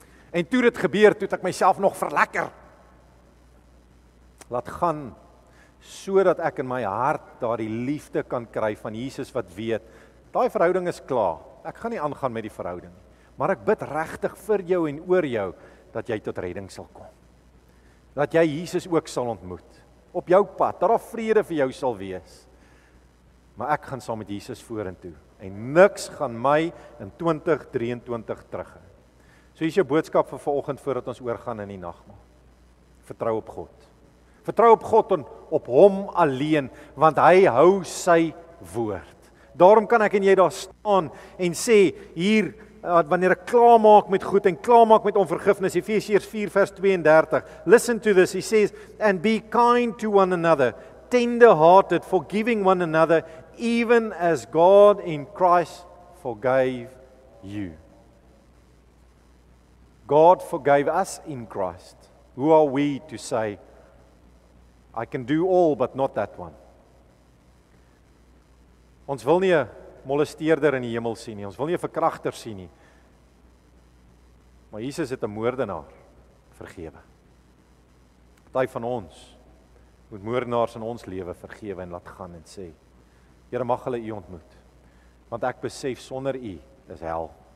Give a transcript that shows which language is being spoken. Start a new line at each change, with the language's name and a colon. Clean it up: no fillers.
Afrikaans: En toe dit gebeur, toe het ek myself nog verlekker. Laat gaan, sodat ek in my hart daardie liefde kan kry van Jesus wat weet, daai verhouding is klaar, ek gaan nie aangaan met die verhouding. Maar ek bid regtig vir jou en oor jou, dat jy tot redding sal kom. Dat jy Jesus ook sal ontmoet, op jou pad, dat daar vrede vir jou sal wees. Maar ek gaan saam met Jesus vorentoe, en niks gaan my in 2023 terug. So hier is jou boodskap vir vanoggend voordat ons oorgaan in die nagmaal. Vertrou op God. Vertrou op God en op hom alleen, want hy hou sy woord. Daarom kan ek en jy daar staan en sê, hier, wanneer ek klaar maak met goed en klaar maak met onvergifnis, Efesiërs 4 vers 32,
English: listen to this, he says, and be kind to one another, tender hearted, forgiving one another, even as God in Christ forgave you. God forgave us in Christ. Who are we to say, I can do all, but not that one.
Afrikaans: Ons wil nie 'n molesteerder in die hemel sien nie, ons wil nie 'n verkragter sien nie. Maar Jesus het 'n moordenaar vergewe. Party van ons moet moordenaars in ons lewe vergewe en laat gaan en sê, Here mag hulle u ontmoet, want ek besef sonder u is hel.